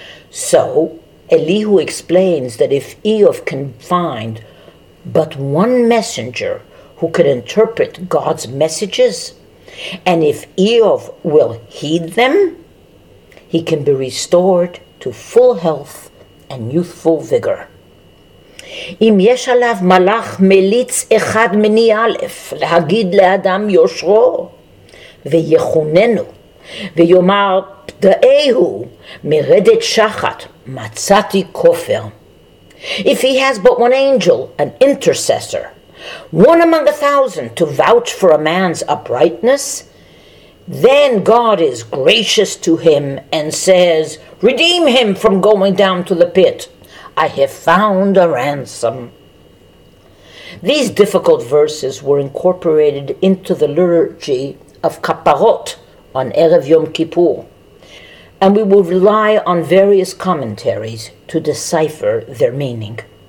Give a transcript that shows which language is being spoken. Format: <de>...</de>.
<en>So, Elihu explains that if Iov can find but one messenger who can interpret God's messages, and if Iov will heed them, he can be restored to full health and youthful vigor.</en> <he>אם יש עליו מלאך מליץ אחד מני א' להגיד לאדם יושרו, ויחוננו, ויאמר פדאהו, מרדת שחת, מצאתי כופר.</he> <en>If he has but one angel, an intercessor, one among a thousand to vouch for a man's uprightness, then God is gracious to him and says, redeem him from going down to the pit. I have found a ransom. These difficult verses were incorporated into the liturgy of Kaparot on Erev Yom Kippur, and we will rely on various commentaries to decipher their meaning.</en>